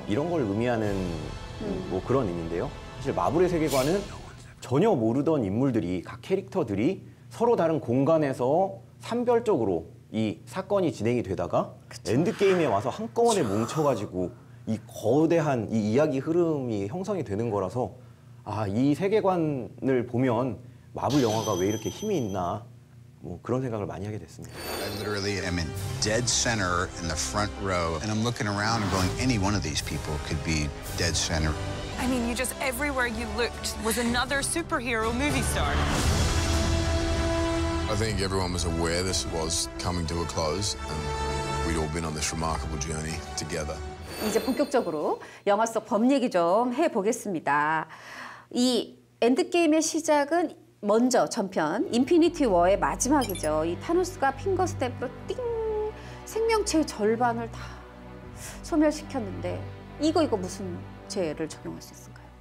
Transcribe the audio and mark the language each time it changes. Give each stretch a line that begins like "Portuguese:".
Korean: 이런 걸 의미하는 뭐 그런 의미인데요. 사실 마블의 세계관은 전혀 모르던 인물들이 각 캐릭터들이 서로 다른 공간에서 산별적으로 이 사건이 진행이 되다가 그쵸. 엔드게임에 와서 한꺼번에 그쵸. 뭉쳐가지고 이 거대한 이 이야기 흐름이 형성이 되는 거라서 아, 이 세계관을 보면 마블 영화가 왜 이렇게 힘이 있나 뭐 그런 생각을 많이 하게 됐습니다.
English: I literally am in dead center in the front row and I'm looking around and going any one of these people could be dead center. I mean, you just everywhere you looked was another superhero movie star. I think everyone was aware this was coming to a close and we'd all been on this remarkable journey together.
Korean: 이제 본격적으로 영화 속 법 얘기 좀 해 보겠습니다. 이 엔드게임의 시작은 먼저 전편 인피니티 워의 마지막이죠. 이 타노스가 핑거 스냅으로 띵 생명체의 절반을 다 소멸시켰는데 이거 무슨 죄를 적용할 수 있을까요?